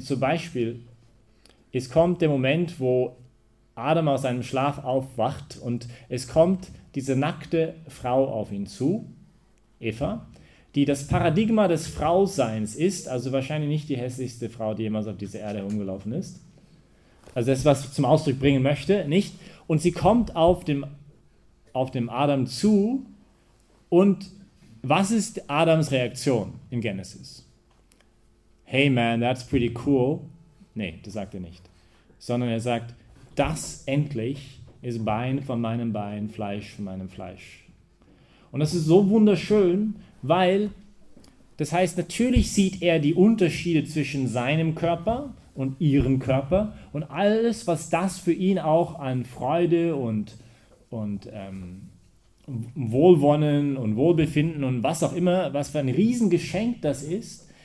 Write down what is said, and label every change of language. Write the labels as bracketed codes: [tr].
[de] Zum Beispiel, es kommt der Moment, wo Adam aus seinem Schlaf aufwacht und es kommt diese nackte Frau auf ihn zu, Eva, die das Paradigma des Frauseins ist, also wahrscheinlich nicht die hässlichste Frau, die jemals auf dieser Erde herumgelaufen ist. Also das, was ich zum Ausdruck bringen möchte, nicht? Und sie kommt auf dem Adam zu und was ist Adams Reaktion in Genesis? [en] Hey man, that's pretty cool. [de] Nee, das sagt er nicht. Sondern er sagt, das endlich ist Bein von meinem Bein, Fleisch von meinem Fleisch. Und das ist so wunderschön, weil, das heißt, natürlich sieht er die Unterschiede zwischen seinem Körper und ihrem Körper und alles, was das für ihn auch an Freude und Wohlwollen und Wohlbefinden und was auch immer, was für ein Riesengeschenk das ist.